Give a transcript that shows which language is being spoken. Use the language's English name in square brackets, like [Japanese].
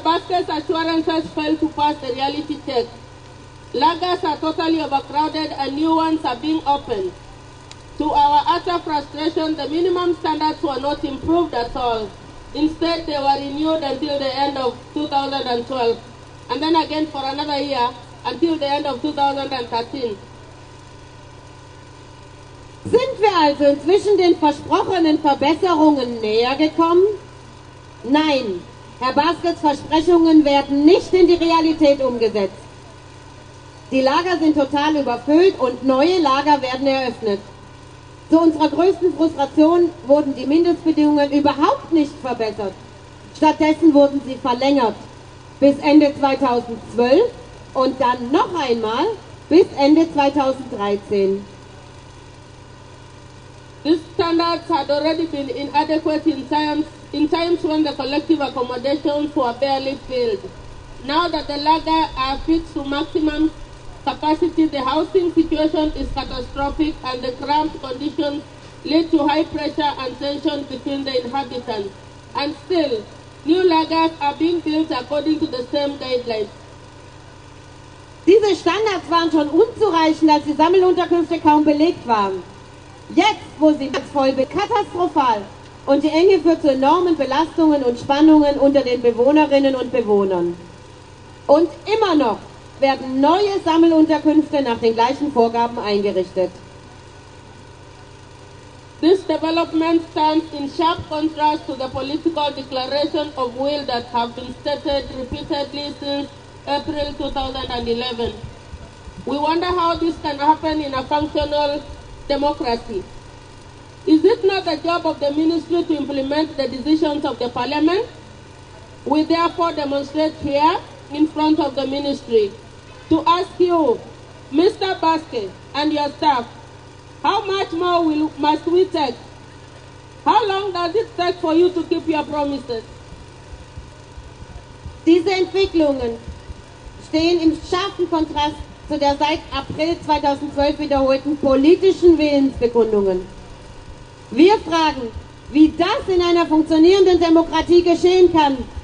[English] Baaske's assurances failed to pass the reality check. Lagers are totally overcrowded and new ones are being opened. To our utter frustration, the minimum standards were not improved at all. Instead, they were renewed until the end of 2012. And then again for another year, until the end of 2013. [German] Sind wir also inzwischen den versprochenen Verbesserungen näher gekommen? Nein, Herr Baaskes Versprechungen werden nicht in die Realität umgesetzt. Die Lager sind total überfüllt und neue Lager werden eröffnet. Zu unserer größten Frustration wurden die Mindestbedingungen überhaupt nicht verbessert. Stattdessen wurden sie verlängert bis Ende 2012 und dann noch einmal bis Ende 2013. [English] These standards had already been inadequate in times when the collective accommodations were barely filled. Now that the lager are fixed to maximum capacity, the housing situation is catastrophic and the cramped conditions lead to high pressure and tension between the inhabitants. And still, new lagers are being built according to the same guidelines. [German] Diese Standards waren schon unzureichend, als die Sammelunterkünfte kaum belegt waren. Jetzt, wo sie jetzt voll sind, katastrophal. Und die Enge führt zu enormen Belastungen und Spannungen unter den Bewohnerinnen und Bewohnern. Und immer noch werden neue Sammelunterkünfte nach den gleichen Vorgaben eingerichtet. [English] This development stands in sharp contrast to the political declaration of will that have been stated repeatedly since April 2011. We wonder how this can happen in a functional democracy. Is it not the job of the ministry to implement the decisions of the parliament? We therefore demonstrate here in front of the ministry to ask you, Mr. Baaske, and your staff, how much more must we take? How long does it take for you to keep your promises? [German] Diese Entwicklungen stehen im scharfen Kontrast zu der seit April 2012 wiederholten politischen Willensbekundungen. Wir fragen, wie das in einer funktionierenden Demokratie geschehen kann.